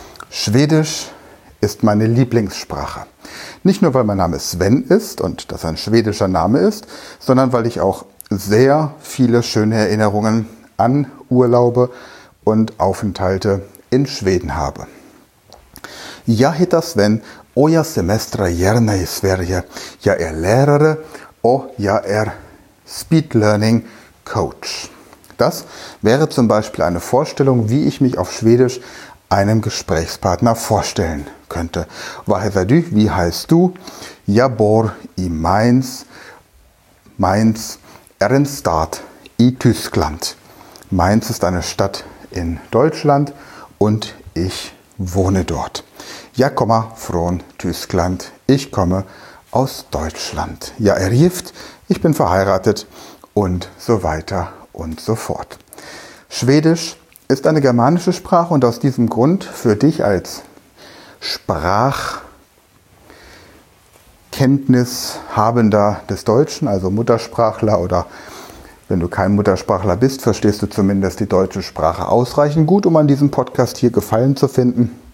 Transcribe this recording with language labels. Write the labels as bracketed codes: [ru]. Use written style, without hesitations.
[de] Schwedisch ist meine Lieblingssprache. Nicht nur, weil mein Name Sven ist und das ein schwedischer Name ist, sondern weil ich auch sehr viele schöne Erinnerungen an Urlaube und Aufenthalte in Schweden habe. [sv] Ja, heter Sven, och jag semestrar gärna i Sverige. Jag är lärare och jag är speed learning coach. [de] Das wäre zum Beispiel eine Vorstellung, wie ich mich auf Schwedisch einem Gesprächspartner vorstellen könnte. [sv] Vad heter du? [de] Wie heißt du? [sv] Jag bor i Mainz. Mainz är en stad i Tyskland. [de] Mainz ist eine Stadt in Deutschland und ich wohne dort. [sv] Jag kommer från Tyskland. [de] Ich komme aus Deutschland. [sv] Jag är gift. [de] Ich bin verheiratet und so weiter. Und so fort. Schwedisch ist eine germanische Sprache und aus diesem Grund für dich als Sprachkenntnishabender des Deutschen, also Muttersprachler oder wenn du kein Muttersprachler bist, verstehst du zumindest die deutsche Sprache ausreichend gut, um an diesem Podcast hier Gefallen zu finden.